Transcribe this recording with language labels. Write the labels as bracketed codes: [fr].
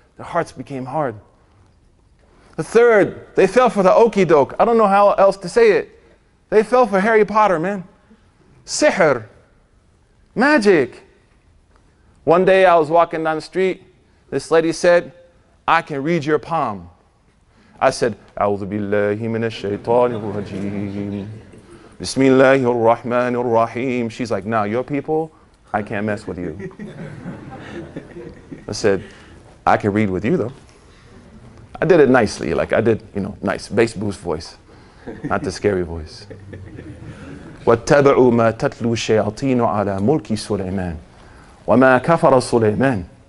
[en] Their hearts became hard. The third, they fell for the okey-doke. I don't know how else to say it. They fell for Harry Potter, man. Sihr. Magic. One day I was walking down the street. This lady said, I can read your palm. [ar] I said, أعوذ بالله من الشيطان الرجيم. Bismillah ar-Rahman ar-Rahim. [en] She's like, now your people, I can't mess with you. I said, I can read with you though. I did it nicely, like I did, you know, nice bass boost voice, not the scary voice. [ar] وَاتَّبَعُوا مَا تَتْلُو الشَّيَاطِينُ عَلَى مُلْكِ سُلَيْمَانَ وَمَا كَفَرَ سُلَيْمَانَ.